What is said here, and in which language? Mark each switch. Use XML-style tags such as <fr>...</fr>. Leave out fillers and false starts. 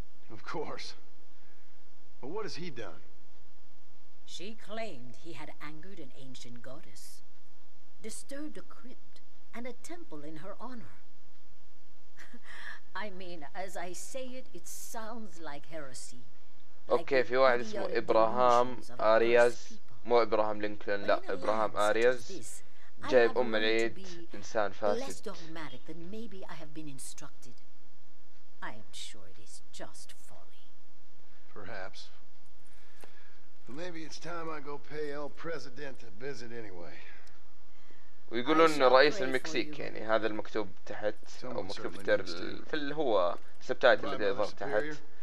<en>Of course. But what has he done? She claimed he had angered an ancient goddess, disturbed a crypt, and a temple in her honor. I mean, as I say it, it sounds like heresy. Okay,</en> <ar>في واحد اسمه إبراهام آرياز، مو إبراهام لينكولن، لا إبراهام آرياز، جايب أم العيد، إنسان فاسد.</ar> <en>Less dogmatic than maybe I have been instructed. I am sure it is just folly. Perhaps. But maybe it's time I go pay El Presidente a visit anyway.</en> <ar>ويقولون رئيس المكسيك، يعني هذا المكتوب تحت او مكتوب في اللي هو سبتايت اللي يظهر تحت.</ar>